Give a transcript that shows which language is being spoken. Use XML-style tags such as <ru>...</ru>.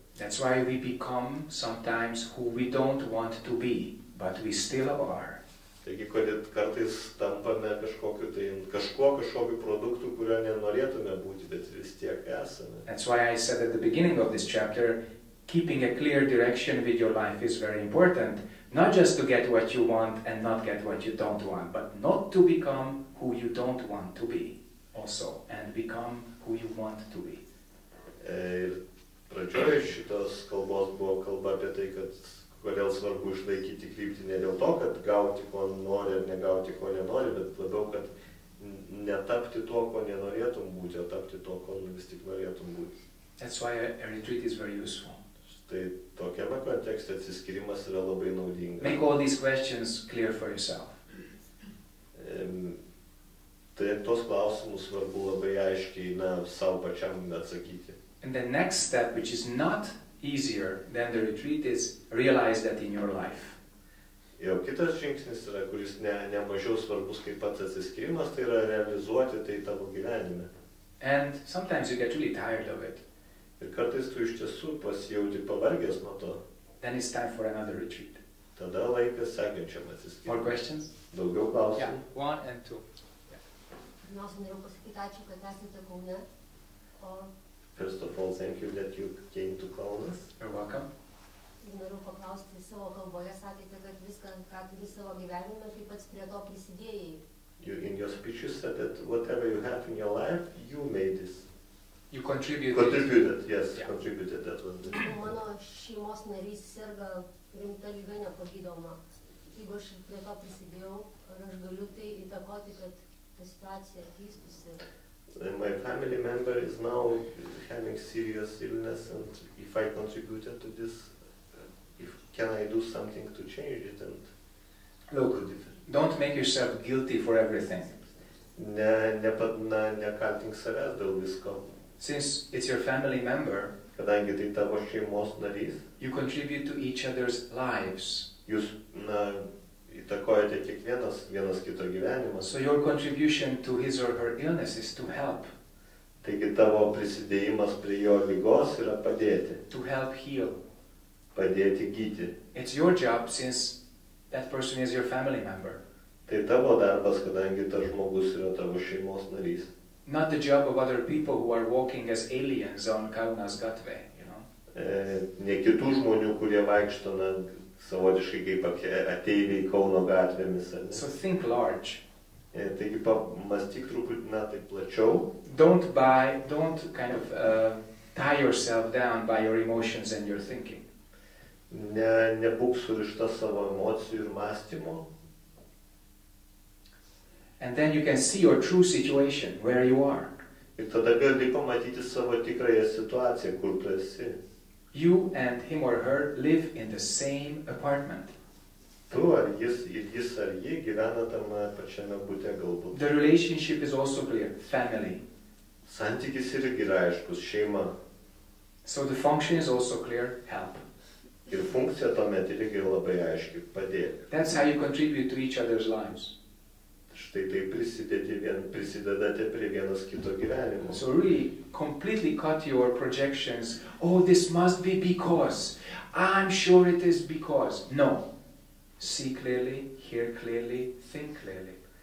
<en>That's why we become sometimes who we don't want to be, but we still are.</en> <lt>Taigi, kodėl kartais tampame kažkokiu produktu, kurio nenorėtume būti, bet vis tiek esame.</lt> <en>That's why I said at the beginning of this chapter, keeping a clear direction with your life is very important, not just to get what you want and not get what you don't want, but not to become who you don't want to be also, and become who you want to be.</en> <lt>Ir pradžioje šitos kalbos buvo kalba apie tai, kad kodėl svarbu išlaikyti kryptį ne dėl to, kad gauti, ko nori, ar negauti, ko nenori, bet labiau, kad netapti to, ko nenorėtum būti, o tapti to, ko vis tik norėtum būti.</lt> <en>That's why a retreat is very useful.</en> <lt>Tai tokiame kontekste atsiskyrimas yra labai naudingas.</lt> <en>Make all these questions clear for yourself.</en> <lt>Tai tos klausimus svarbu labai aiškiai, na, savo pačiam atsakyti.</lt> <en>And the next step, which is not easier than the retreat, is realize that in your life.</en> <lt>Jau kitas žingsnis yra, kuris ne mažiau svarbus kaip pats atsiskyrimas, tai yra realizuoti tai tavo gyvenime.</lt> <en>And sometimes you get really tired of it.</en> <lt>Ir kartais tu iš tiesų pasijauti pavargęs nuo to.</lt> <en>Then it's time for another retreat.</en> <lt>Tada laikas sekančiam atsiskyrimui.</lt> <en>More questions?</en> <lt>Daugiau klausimų.</lt> <en>Yeah, one and two.</en> <lt>Pirmiausia,</lt> <en>yeah.</en> <lt>Norėjau pasakyti ačiū, kad esate Kaune.</lt> <en>First of all, thank you that you came to Kaunas. You're welcome.</en> <lt>Noriu paklausti savo kalboje, sakėte, kad viską, ką turi savo gyvenime, taip pat prie to prisidėjai.</lt> <en>In your speech you said that whatever you have in your life, you made this. You contributed. Contributed, yes, yeah. Contributed, that was the thing.</en> <lt>Mano šeimos narys serga rimta lyga nepagydoma. Jeigu aš prie to prisidėjau, ar aš galiu tai įtakoti, kad ta situacija keistųsi?</lt> <en>My family member is now having serious illness, and if I contributed to this, can I do something to change it? And look, don't make yourself guilty for everything.</en> <lt>Nekaltink savęs dėl visko.</lt> <en>Since it's your family member,</en> <lt>kadangi tai tavo šeimos narys,</lt> <en>you contribute to each other's lives.</en> <lt>Jūs, na, įtakojate kiekvienas vienas kito gyvenimą.</lt> <en>So your contribution to his or her illness is to help.</en> <lt>Taigi tavo prisidėjimas prie jo lygos yra padėti.</lt> <en>To help heal.</en> <lt>Padėti gyti.</lt> <en>It's your job since that person is your family member.</en> <lt>Tai tavo darbas, kadangi tas žmogus yra tavo šeimos narys.</lt> <en>Not the job of other people who are walking as aliens on Kaunas gatvė, you know.</en> <lt>Ne kitų žmonių, kurie vaikšto na savotiškai kaip ateiviai Kauno gatvėmis.</lt> <en>So think large.</en> <lt>Taigi pamastyk truputį, na, taip plačiau.</lt> <en>Don't kind of tie yourself down by your emotions and your thinking.</en> <lt>Nebūk surišta savo emocijų ir mąstymo.</lt> <en>And then you can see your true situation, where you are.</en> <lt>Ir tada gali pamatyti savo tikrąją situaciją, kur tu esi.</lt> <en>You and him or her live in the same apartment.</en> <lt>Tu ar jis, jis ar ji gyvena tam pačiame bute galbūt.</lt> <en>The relationship is also clear, family.</en> <lt>Santykis irgi yra aiškus, šeima.</lt> <en>So the function is also clear, help.</en> <lt>Ir funkcija tuomet irgi labai aiški, padėti.</lt> <en>That's how you contribute to each other's lives.</en> <lt>Štai taip prisidedate prie vienas kito gyvenimo.</lt> <en>So really completely cut your projections. Oh, this must be because. I'm sure it is because. No. See clearly, hear clearly, think clearly.</en>